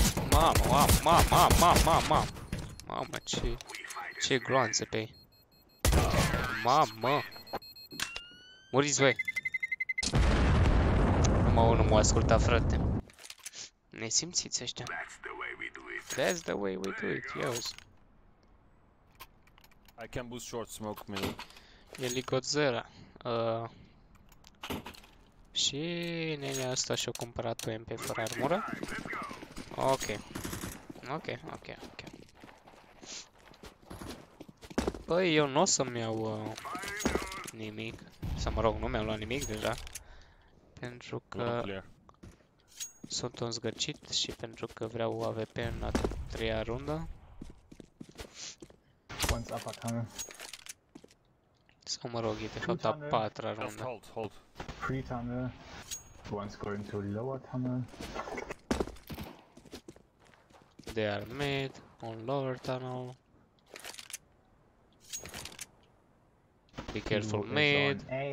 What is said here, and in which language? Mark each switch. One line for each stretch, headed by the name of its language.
Romanian: Mamă, mamă, mamă, mamă, mamă, mamă. Mamă, ce groanță pe ei. Mamă. Muriți, băi. Numai unul m-a ascultat, frate. Ne simțiți ăștia?
English: That's the way we do it, yes. I can boost short smoke, man.
Romanian: E Ligozera. Și nenea asta și-a cumpărat un MP fără armură. Ok. Ok, ok, ok. Păi, eu n-o să-mi iau nimic. Sau mă rog, nu mi-am luat nimic deja. Pentru că sunt un zgârcit și pentru că vreau AVP în a treia rundă.
English: One's up a tunnel.
Romanian: Sau mă rog, e de fapt a patra rundă.
English: Just hold. Three tunnel. One's going to lower tunnel. They are mid, on lower tunnel. Be careful mid.